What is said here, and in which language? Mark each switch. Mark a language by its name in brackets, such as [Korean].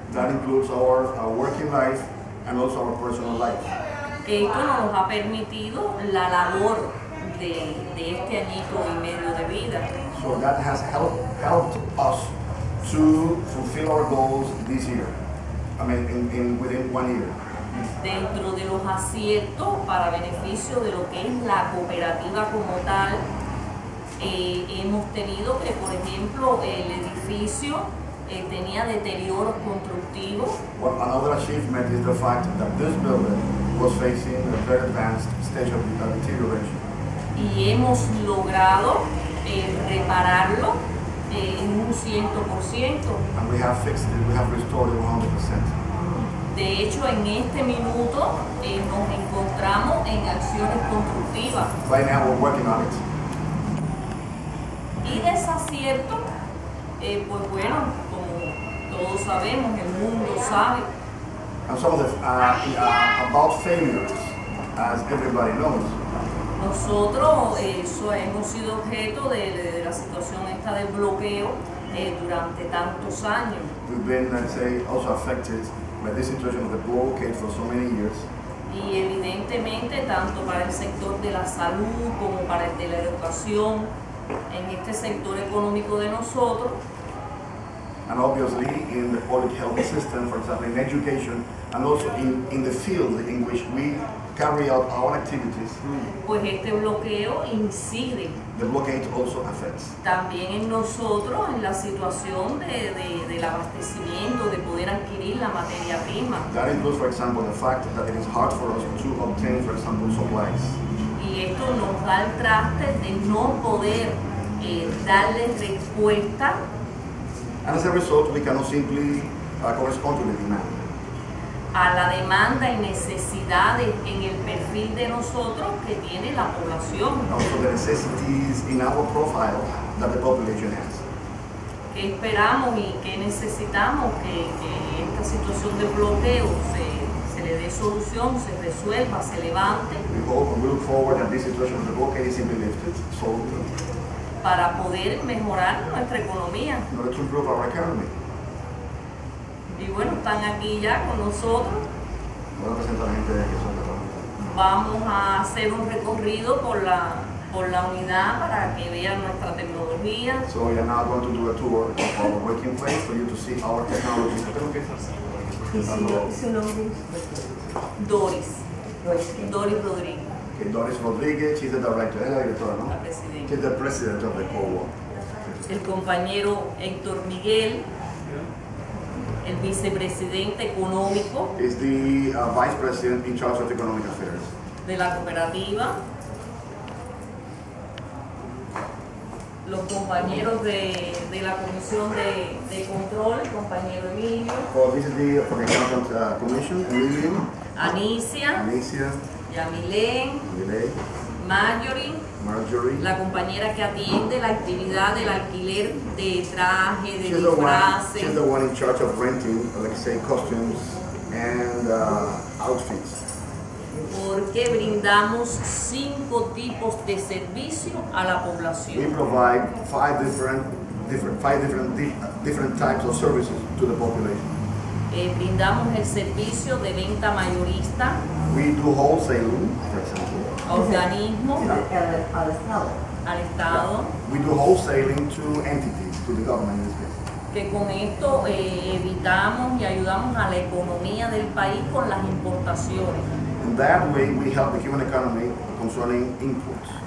[English] That includes our working life and also our personal life. [Spanish] Esto nos ha permitido la labor de este añito y medio de vida. [English] So that has helped us to fulfill our goals this year. I mean, within 1 year. [Spanish] Dentro de los aciertos para beneficio de lo que es la cooperativa como tal, hemos tenido que, por ejemplo, el edificio tenía deterioro constructivo. [English] Well, another achievement is the fact that this building was facing a very advanced stage of deterioration. [Spanish] Y hemos logrado repararlo en un 100%. [English] And we have fixed it, we have restored it 100%. [Spanish] De hecho, en este minuto nos encontramos en acciones constructivas. [English] Right now we're working on it. [Spanish] Y desacierto, pues bueno, como todos sabemos, el mundo sabe. [English] And some of about failures, as everybody knows. [Spanish] Nosotros hemos sido objeto de la situación esta del bloqueo durante tantos años. [English] We've been, let's say, also affected by this situation of the blockade for so many years. [Spanish] Y evidentemente, tanto para el sector de la salud como para el de la educación, en este sector económico de nosotros. [English] And obviously, in the public health system, for example, in education, and also in the field in which we carry out our activities. [Spanish] Pues este bloqueo incide. [English] The blockade also affects. [Spanish] También en nosotros, en la situación del abastecimiento, de poder adquirir la materia prima. [English] That includes, for example, the fact that it is hard for us to obtain, for example, supplies. [Spanish] Y esto nos da el traste de no poder darle respuesta. [English] And as a result, we cannot simply correspond to the demand. [Spanish] A la demanda y necesidades en el perfil de nosotros que tiene la población. [English] Also the necessities in our profile that the population has. [Spanish] ¿Qué esperamos y qué necesitamos que esta situación de bloqueo se le dé solución, se resuelva, se levante? [English] We hope and we look forward that this situation of the blockade is simply lifted, solved. [Spanish] Para poder mejorar nuestra economía. [English] In order to improve our economy. [Spanish] Y bueno, están aquí ya con nosotros. Voy a presentar a la gente de aquí, son de Colombia. Vamos a hacer un recorrido por la unidad para que vean nuestra tecnología. [English] So we are now going to do a tour of our working place for you to see our technology. [Spanish] ¿Qué tengo que hacer? Doris Rodríguez. [English] Okay, Doris Rodríguez, she's the director. [Spanish] Es la directora, ¿no? La presidenta. [English] She's the president of the co-op. [Spanish] El compañero Héctor Miguel. El vicepresidente económico [English] is the vice president in charge of economic affairs [Spanish] de la cooperativa. los compañeros de la Comisión de Control, compañero Emilio. [English] For this is the, for the Council, Commission, Emilio. [Spanish] Anicia. Anicia. Yamilén. Yamilén. Marjorie. Marjorie. La compañera que atiende la actividad del alquiler de traje, de disfraces. [English] She's the one in charge of renting, like say, costumes and outfits. [Spanish] Porque brindamos 5 tipos de servicio a la población. [English] We provide 5 different types of services to the population. [Spanish] Brindamos el servicio de venta mayorista. [English] We do wholesale, for example. [Spanish] Organismo. Al Estado. [English] Yeah. We do wholesaling to entities, to the government in this case. [Spanish] Que con esto evitamos y ayudamos a la economía del país con las importaciones. [English] In that way, we help the human economy concerning inputs.